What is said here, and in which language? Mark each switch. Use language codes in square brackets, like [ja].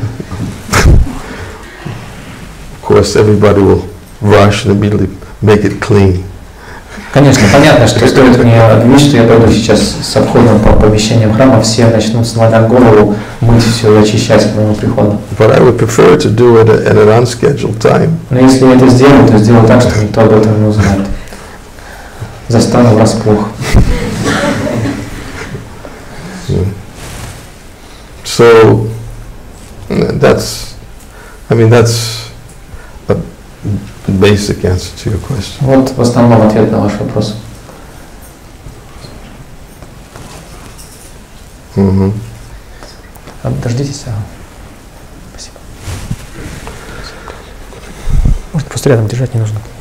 [en] Of course, everybody will rush and immediately make it clean. [ru] Конечно, понятно, что стоит мне объявить, что я пойду сейчас с обходом по помещениям храма, все начнут сломя голову мыть все и очищать к моему приходу. [en] But I would prefer to do it at an unscheduled time. [ru] Но если я это сделаю, то сделаю так, что никто об этом не узнает. Застану врасплох. [en] So, that's, I mean, that's a basic answer to your question. [ru] Вот в основном ответ на ваш вопрос. Дождитесь. Спасибо. Может, просто рядом держать не нужно.